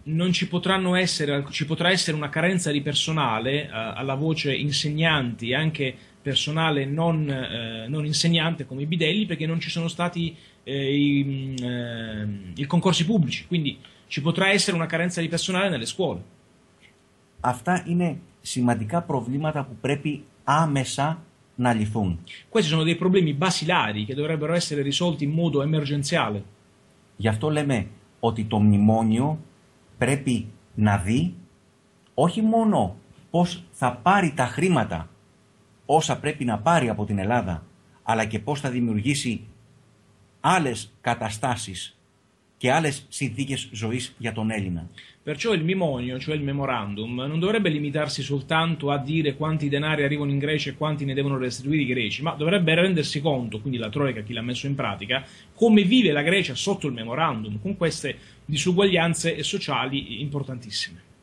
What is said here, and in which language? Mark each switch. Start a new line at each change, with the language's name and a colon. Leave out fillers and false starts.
Italian: Non ci potranno essere, ci potrà essere una carenza di personale, alla voce insegnanti, anche personale non insegnante come i bidelli, perché non ci sono stati i concorsi pubblici, quindi ci potrà essere una carenza di personale nelle scuole.
Greek: Αυτά είναι σημαντικά προβλήματα που πρέπει άμεσα να λυθούν.
Italian: Questi sono dei problemi basilari che dovrebbero essere risolti in modo emergenziale.
Greek: Γι' αυτό λέμε ότι το μνημόνιο πρέπει να δει όχι μόνο πώς θα πάρει τα χρήματα όσα πρέπει να πάρει από την Ελλάδα, αλλά και πώς θα δημιουργήσει άλλες καταστάσεις και άλλες συνθήκες ζωής για τον Έλληνα.
Italian: Perciò il mnemonio, cioè il memorandum, non dovrebbe limitarsi soltanto a dire quanti denari arrivano in Grecia e quanti ne devono restituire i greci, ma dovrebbe rendersi conto, quindi la Troica, chi l'ha messo in pratica, come vive la Grecia sotto il memorandum, con queste disuguaglianze sociali importantissime.